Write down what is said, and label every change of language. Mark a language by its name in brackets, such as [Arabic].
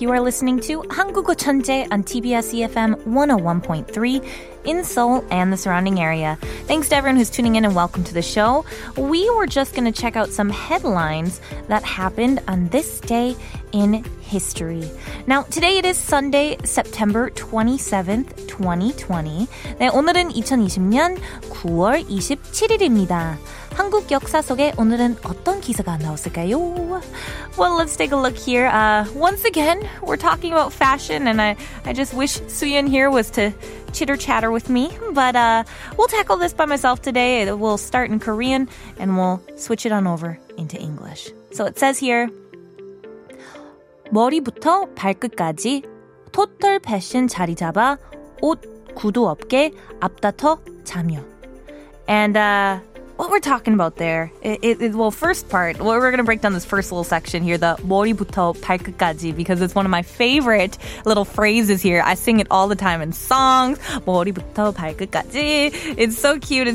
[English] You are listening to 한국어 천재 on TBS EFM 101.3 in Seoul and the surrounding area. Thanks to everyone who's tuning in and welcome to the show. We were just going to check out some headlines that happened on this day in history. Now, today it is Sunday, September 27th, 2020. [Korean] 네, 오늘은 2020년 9월 27일입니다. 한국 역사 속에 오늘은 어떤 기사가 나왔을까요? [English] Well, let's take a look here. Once again, we're talking about fashion, and I just wish Suyin here was to chitter-chatter with me. But we'll tackle this by myself today. We'll start in Korean, and we'll switch it on over into English. So it says here, [Korean] 머리부터 발끝까지 토털 패션 자리 잡아 옷 구두 업계 앞다퉈 자며. [English] And, what we're talking about there, well, first part, well, we're going to break down this first little section here, the [Korean] 머리부터 발끝까지, [English] because it's one of my favorite little phrases here. I sing it all the time in songs. [Korean] 머리부터 발끝까지. [English] It's so cute.